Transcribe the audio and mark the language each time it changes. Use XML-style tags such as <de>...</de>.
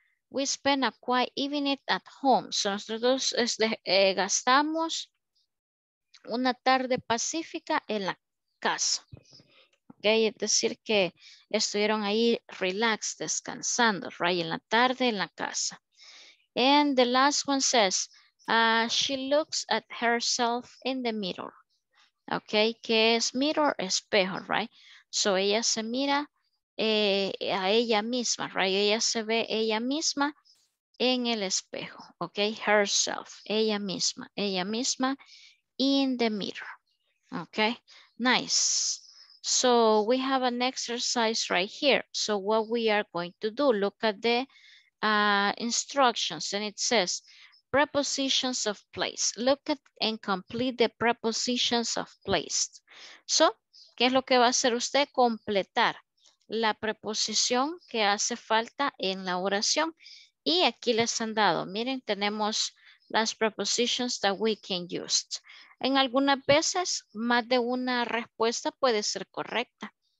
<en>We spent a quiet evening at home. So,</en> <es>nosotros gastamos una tarde pacífica en la casa. Okay, es decir que estuvieron ahí relax, descansando,</es> <en>right?</en> <es>En la tarde en la casa.</es> <en>And the last one says, she looks at herself in the mirror.</en> <es>Okay, ¿qué es mirror? Espejo,</es> <en>right?</en> <es>So ella se mira a ella misma, right? Ella se ve ella misma en el espejo.</es> <en>Okay, herself,</en> <es>ella misma</es> <en>in the mirror. Okay, nice. So we have an exercise right here. So what we are going to do, look at the instructions, and it says prepositions of place. Look at and complete the prepositions of place.</en> <es>So, ¿qué es lo que va a hacer usted? Completar la preposición que hace falta en la oración. Y aquí les han dado, miren, tenemos las prepositions</es> <en>that we can use.</en> <es>En algunas veces, más de una respuesta puede ser correcta.</es>